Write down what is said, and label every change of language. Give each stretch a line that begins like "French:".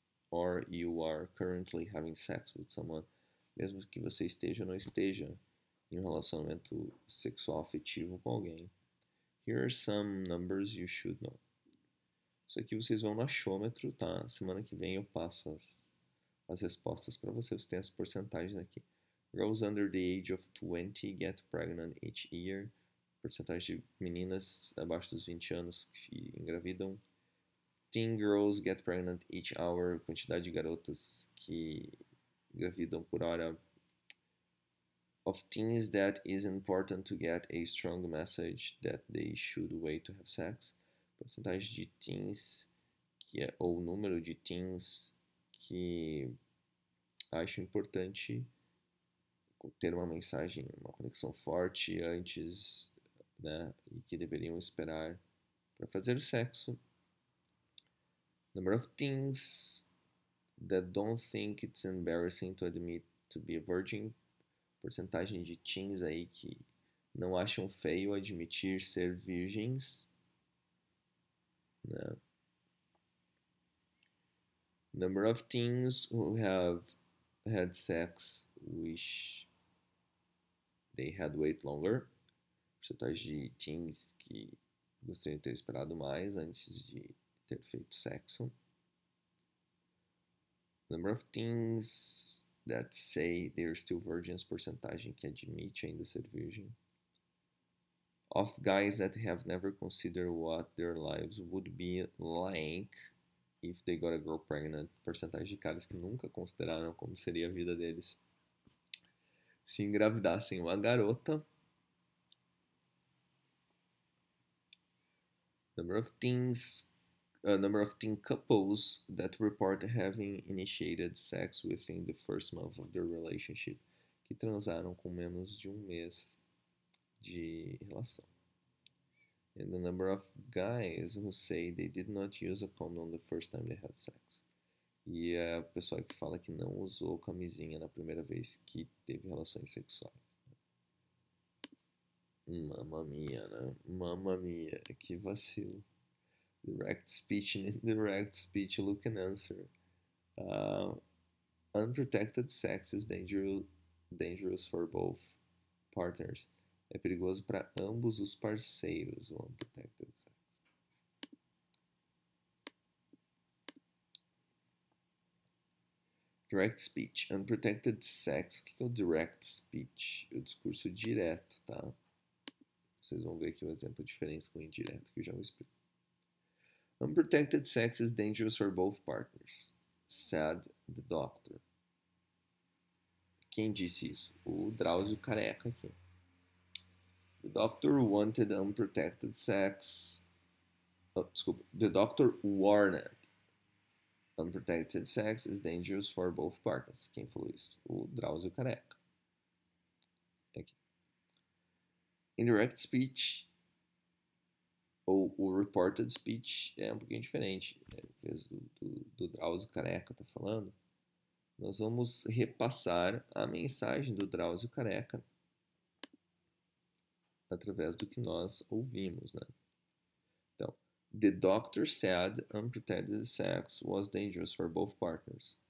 English: Or you are currently having sex with someone,
Portuguese: mesmo que você esteja ou não esteja em um relacionamento sexual afetivo com alguém.
English: Here are some numbers you should know.
Portuguese: Isso aqui vocês vão no achômetro, tá? Semana que vem eu passo as respostas para vocês. Você tem as porcentagens aqui.
English: Girls under the age of 20 get pregnant each year.
Portuguese: Porcentagem de meninas abaixo dos 20 anos que engravidam.
English: Teen girls get pregnant each hour,
Portuguese: quantidade de garotas que engravidam por hora.
English: Of teens that is important to get a strong message that they should wait to have sex.
Portuguese: Porcentagem de teens, que é, ou número de teens que acho importante ter uma mensagem, uma conexão forte antes, né, e que deveriam esperar para fazer o sexo.
English: Number of teens that don't think it's embarrassing to admit to be a virgin.
Portuguese: Porcentagem de teens aí que não acham feio admitir ser virgens. Né?
English: Number of teens who have had sex wish they had waited longer.
Portuguese: Porcentagem de teens que gostariam de ter esperado mais antes de ter feito sexo.
English: Number of teens that say they're still virgins,
Portuguese: porcentagem que admite ainda ser virgem.
English: Of guys that have never considered what their lives would be like if they got a girl pregnant.
Portuguese: Porcentagem de caras que nunca consideraram como seria a vida deles se engravidassem uma garota.
English: Number of teen couples that report having initiated sex within the first month of their relationship.
Portuguese: Que transaram com menos de um mês de relação.
English: And the number of guys who say they did not use a condom the first time they had sex.
Portuguese: E a pessoa que fala que não usou camisinha na primeira vez que teve relações sexuais. Mamma mia, né? Mamma mia, que vacilo.
English: Direct speech, look and answer. Unprotected sex is dangerous for both partners.
Portuguese: É perigoso para ambos os parceiros, o unprotected sex.
English: Direct speech. Unprotected sex.
Portuguese: O que é o direct speech? O discurso direto, tá? Vocês vão ver aqui um exemplo de diferença com o indireto, que eu já vou explicar.
English: Unprotected sex is dangerous for both partners, said the doctor.
Portuguese: Quem disse isso? O Drauzio Careca aqui.
English: The doctor wanted unprotected sex.
Portuguese: Oh, desculpa.
English: The doctor warned. Unprotected sex is dangerous for both partners.
Portuguese: Quem falou isso? O Drauzio Careca.
English: Indirect speech.
Portuguese: Ou o reported speech é um pouquinho diferente. Em vez do Drauzio Careca tá falando. Nós vamos repassar a mensagem do Drauzio Careca através do que nós ouvimos, né?
English: The doctor said unprotected sex was dangerous for both partners.